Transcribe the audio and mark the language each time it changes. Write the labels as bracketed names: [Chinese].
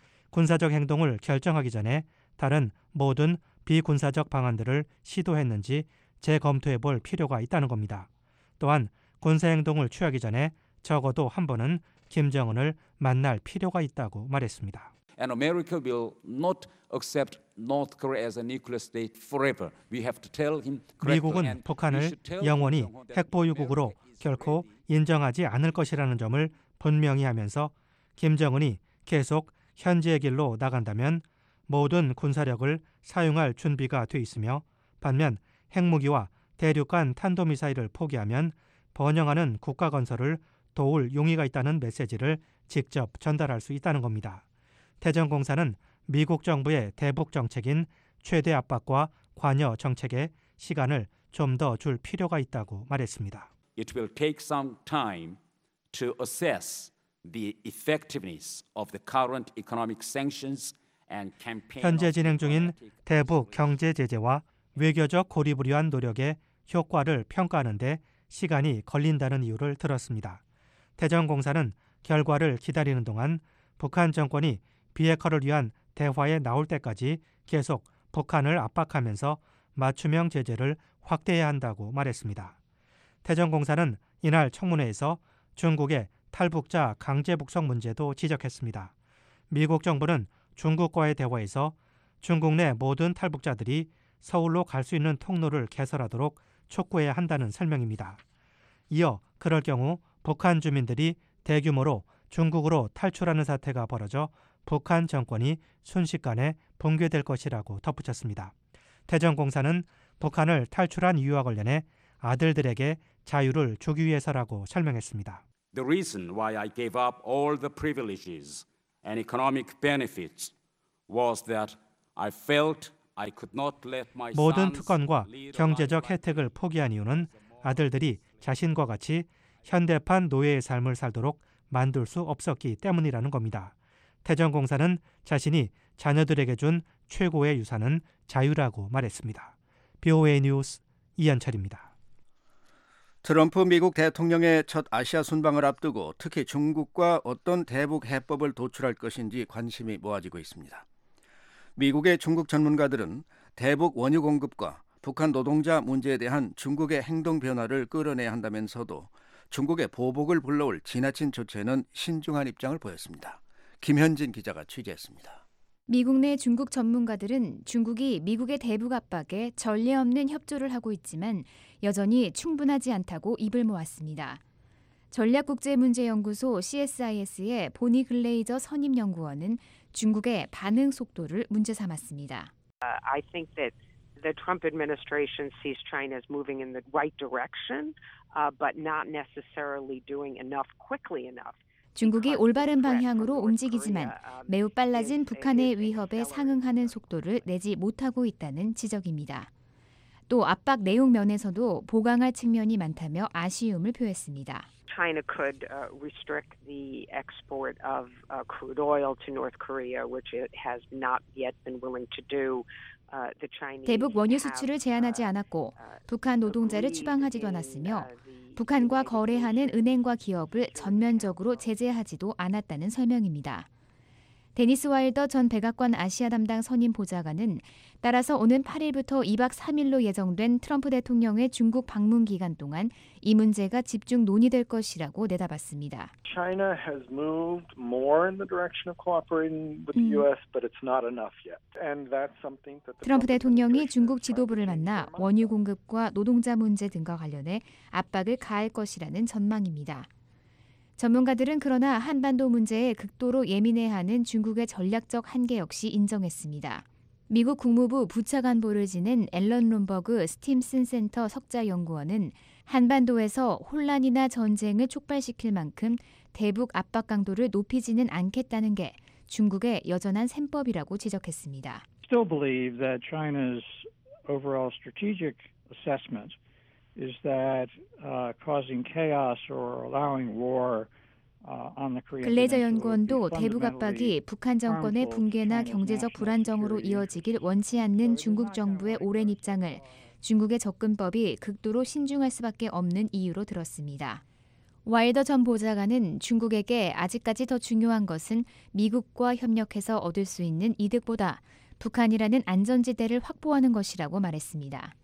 [Korean] 군사적 행동을 결정하기 전에 다른 모든 비군사적 방안들을 시도했는지 재검토해 볼 필요가 있다는 겁니다. 또한 군사 행동을 취하기 전에 적어도 한 번은 김정은을 만날 필요가 있다고 말했습니다. [English] And America will not accept North Korea as a nuclear state forever. We have to tell him. [Korean] 미국은 북한을 영원히 핵보유국으로 결코 인정하지 않을 것이라는 점을 분명히 하면서 김정은이 계속 현재의 길로 나간다면 모든 군사력을 사용할 준비가 돼 있으며 반면 핵무기와 대륙간 탄도미사일을 포기하면 번영하는 국가 건설을 도울 용의가 있다는 메시지를 직접 전달할 수 있다는 겁니다. 태정 공사는 미국 정부의 대북 정책인 최대 압박과 관여 정책에 시간을 좀 더 줄 필요가 있다고 말했습니다. [English] It will take some time to assess the effectiveness of the current economic sanctions and campaign. [Korean] 현재 진행 중인 대북 경제 제재와 외교적 고립을 위한 노력의 효과를 평가하는데 시간이 걸린다는 이유를 들었습니다. 대정공사는 결과를 기다리는 동안 북한 정권이 비핵화를 위한 대화에 나올 때까지 계속 북한을 압박하면서 맞춤형 제재를 확대해야 한다고 말했습니다. 대정공사는 이날 청문회에서 중국의 탈북자 강제 북송 문제도 지적했습니다. 미국 정부는 중국과의 대화에서 중국 내 모든 탈북자들이 서울로 갈 수 있는 통로를 개설하도록 촉구해야 한다는 설명입니다. 이어 그럴 경우 북한 주민들이 대규모로 중국으로 탈출하는 사태가 벌어져 북한 정권이 순식간에 붕괴될 것이라고 덧붙였습니다. 대정공사는 북한을 탈출한 이유와 관련해 아들들에게 자유를 주기 위해서라고 설명했습니다. [English] The reason why I gave up all the privileges and economic benefits was that I felt I could not let my [Korean] 모든 특권과 경제적 혜택을 포기한 이유는 아들들이 자신과 같이 현대판 노예의 삶을 살도록 만들 수 없었기 때문이라는 겁니다. 대정공사는 자신이 자녀들에게 준 최고의 유산은 자유라고 말했습니다. BOA 뉴스 이현철입니다. 트럼프 미국 대통령의 첫 아시아 순방을 앞두고 특히 중국과 어떤 대북 해법을 도출할 것인지 관심이 모아지고 있습니다. 미국의 중국 전문가들은 대북 원유 공급과 북한 노동자 문제에 대한 중국의 행동 변화를 끌어내야 한다면서도 중국의 보복을 불러올 지나친 조치에는 신중한 입장을 보였습니다. 김현진 기자가 취재했습니다. 미국 내 중국 전문가들은 중국이 미국의 대북 압박에 전례 없는 협조를 하고 있지만 여전히 충분하지 않다고 입을 모았습니다. 전략국제문제연구소 CSIS의 보니 글레이저 선임연구원은 중국의 반응 속도를 문제 삼았습니다. [English] I think that the Trump administration sees China as moving in the right direction, but not necessarily doing enough quickly enough. [Korean] 중국이 올바른 방향으로 움직이지만 매우 빨라진 북한의 위협에 상응하는 속도를 내지 못하고 있다는 지적입니다. 또 압박 내용 면에서도 보강할 측면이 많다며 아쉬움을 표했습니다. [English] China could restrict the export of crude oil to North Korea, which it has not yet been willing to do. [Korean] 대북 원유 수출을 제한하지 않았고 북한 노동자를 추방하지도 않았으며 북한과 거래하는 은행과 기업을 전면적으로 제재하지도 않았다는 설명입니다. 데니스 와일더 전 백악관 아시아 담당 선임 보좌관은 따라서 오는 8일부터 2박 3일로 예정된 트럼프 대통령의 중국 방문 기간 동안 이 문제가 집중 논의될 것이라고 내다봤습니다. [English] China has moved more in the direction of cooperating with the US, but it's not enough yet. And that's something that [Korean] 트럼프 대통령이 중국 지도부를 만나 원유 공급과 노동자 문제 등과 관련해 압박을 가할 것이라는 전망입니다. 전문가들은 그러나 한반도 문제에 극도로 예민해하는 중국의 전략적 한계 역시 인정했습니다. 미국 국무부 부차관보를 지낸 앨런 룸버그 스팀슨 센터 석좌 연구원은 한반도에서 혼란이나 전쟁을 촉발시킬 만큼 대북 압박 강도를 높이지는 않겠다는 게 중국의 여전한 셈법이라고 지적했습니다. [English] Still believe that China's overall strategic assessment is that causing chaos or allowing war on the Korean. [Korean] 글레이저 연구원도 대북 압박이 북한 정권의 붕괴나 경제적 불안정으로 이어지길 원치 않는 중국 정부의 오랜 입장을 중국의 접근법이 극도로 신중할 수밖에 없는 이유로 들었습니다. 와일더 전 보좌관은 중국에게 아직까지 더 중요한 것은 미국과 협력해서 얻을 수 있는 이득보다 북한이라는 안전지대를 확보하는 것이라고 말했습니다.